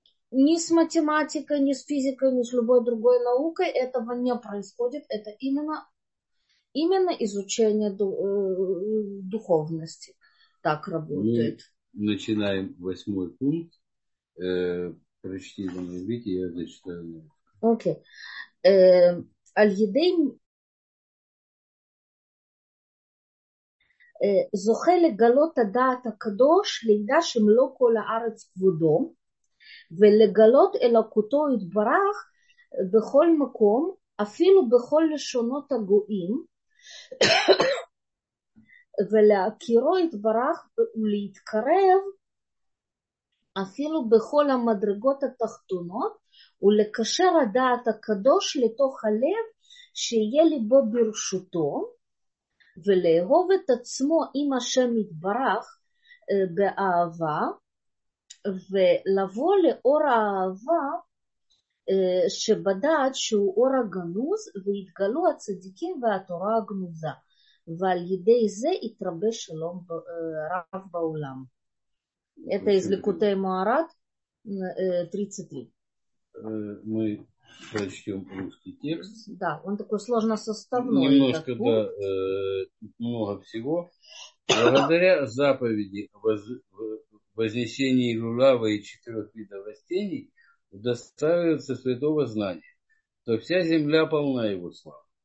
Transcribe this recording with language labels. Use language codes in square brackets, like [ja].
[ru] Ни с математикой, ни с физикой, ни с любой другой наукой этого не происходит. Это именно изучение духовности так работает. Мы начинаем восьмой пункт. Прочти его на иврите, я зачитаю. Окей. [he] Аль-Едей זוכה לגלות הדעת הקדוש לידע שמלוא כל הארץ כבודו ולגלות אלוקותו יתברך בכל מקום אפילו בכל לשונות הגויים ולהכירו יתברך ולהתקרב אפילו בכל המדרגות התחתונות ולקשר הדעת הקדוש לתוך הלב שיהיה ליבו ברשותו ולאהוב את עצמו עם השם יתברך באהבה, ולבוא לאור האהבה שבדעת שהוא אור הגנוז, והתגלו הצדיקים והתורה הגנוזה, ועל ידי זה יתרבה שלום רב בעולם. [ru] Это из Ликутей Моарад, 33. Мы прочтем русский текст. Да, он такой сложносоставной. Немножко, да, много всего. Благодаря заповеди вознесения люлава и четырех видов растений удостаивается святого знания, то вся земля полна его славы.